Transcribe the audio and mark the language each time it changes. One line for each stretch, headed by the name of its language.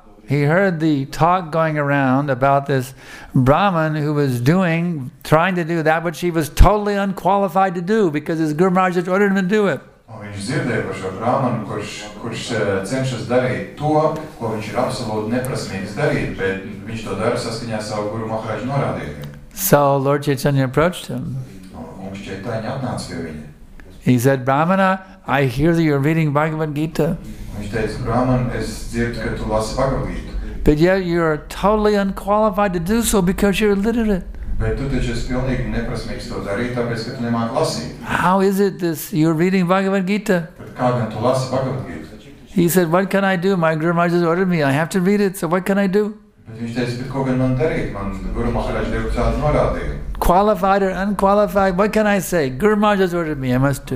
English: He heard the talk going around about this Brahman who was trying to do that which he was totally unqualified to do because his Guru Maharaj ordered him to do it.
Latvian: Un viņš dzirdēja par šo brāmanu, kurš cenšas darīt to, ko viņš ir absolūti neprasmīgs darīt, bet viņš to dara saskaņā savu Guru Maharaj norādījumu.
English: So Lord Chaitanya approached him.
Latvian: Un Chaitanya atnāca pie viņa.
English: He said, Brahmana, I hear that you're reading Bhagavad Gita.
Latvian: Viņš teica, Brahman, es dzirdu, ka tu lasi Bhagavad Gita.
English: But yet you're totally unqualified to do so because you're illiterate.
Latvian: Bet tu taču esi pilnīgi neprasmīgs to darīt, tāpēc, ka tu nemāk lasīt.
English: How is it this, you're reading Bhagavad Gita?
Latvian: Bet kā gan tu lasi Bhagavad Gita?
English: He said, what can I do? My Guru Maharaj has ordered me, I have to read it, so what can I do?
Latvian: Bet viņš teica, bet ko gan man darīt? Man Guru Maharaj devu tādu norādīju.
English: Qualified or unqualified, what can I say? Guru Maharaj has ordered me, I must do.